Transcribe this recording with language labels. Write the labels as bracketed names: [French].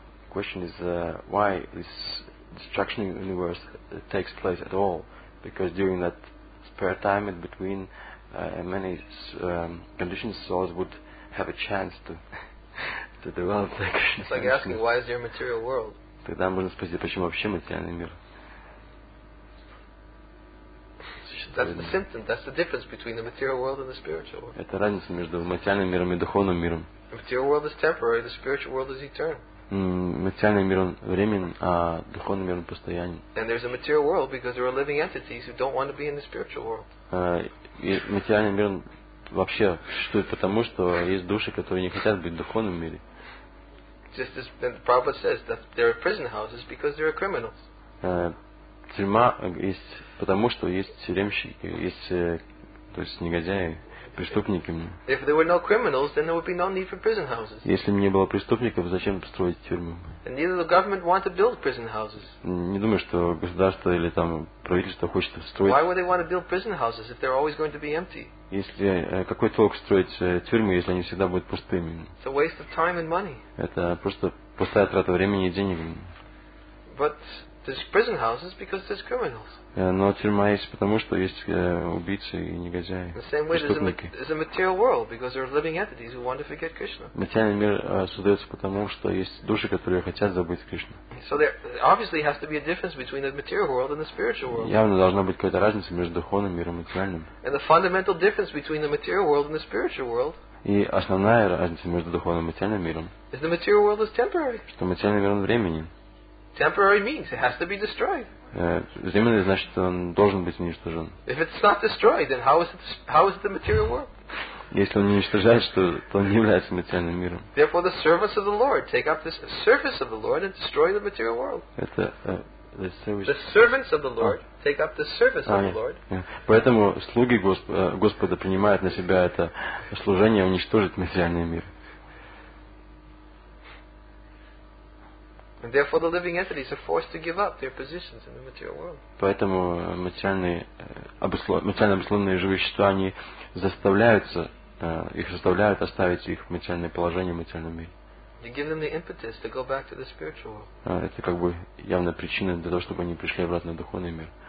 [English] Question is why this destruction of the universe takes place at all? Because during that spare time in between many conditions, souls would have a chance to to develop their Krishna. It's like asking, why is there a material world? [Russian] Тогда можно спросить, почему вообще материальный мир? [English] That's the symptom. That's the difference between the material world and the spiritual world. [Russian] Это разница между материальным миром и духовным миром. [English] The material world is temporary. The spiritual world is eternal. [Russian] Материальный мир он временен, а духовный мир он постоянен. [English] And there's a material world because there are living entities who don't want to be in the spiritual world. [Russian] Материальный мир вообще существует потому, что есть души, которые не хотят быть в духовном мире. [English] Just as Prabhupada says, that there are prison houses because there are criminals. [Russian] Тюрьма есть потому, что есть тюремщики, есть, то есть негодяи, преступники. [English] If there were no criminals, then there would be no need for prison houses. [Russian] Если бы не было преступников, зачем строить тюрьмы? [English] And neither the government want to build prison houses. [Russian] Не думаю, что государство или там правительство хочет строить. [English] Why would they want to build prison houses if they're always going to be empty? [Russian] Если какой толк строить тюрьмы, если они всегда будут пустыми? [English] It's a waste of time and money. [Russian] Это просто пустая трата времени и денег. [English] But there's prison houses because there's criminals. [Russian] Но тюрьма есть потому, что есть убийцы и негодяи. [English] The same way there's a material world because there are living entities who want to forget Krishna. [Russian] Материальный мир создается потому, что есть души, которые хотят забыть Кришну. [English] So there obviously has to be a difference between the material world and the spiritual world. [Russian] Явно должна быть какая-то разница между духовным миром и материальным. [English] And the fundamental difference between the material world and the spiritual world. [Russian] И основная разница между духовным и материальным миром. [English] Is the material world is temporary. [Russian] Что материальный мир временен. [English] Temporary means it has to be destroyed. [Russian] Временный значит, он должен быть уничтожен. [English] If it's not destroyed, then how is it the material world? [Russian] Если он не уничтожается, то он не является материальным миром. [English] Therefore, the servants of the Lord take up this service of the Lord and destroy the material world. [Russian] Это [English] the servants of the Lord take up the service of the Lord. [Russian] Поэтому слуги Господа принимают на себя это служение уничтожить материальный мир. [English] And therefore, the living entities are forced to give up their positions in the material world. [Russian] Поэтому материально обусловленные живые существа они заставляются их заставляют оставить их материальное положение материальном мире. [English] You give them the impetus to go back to the spiritual world. [Russian] Это как бы явная причина для того, чтобы они пришли обратно в духовный мир.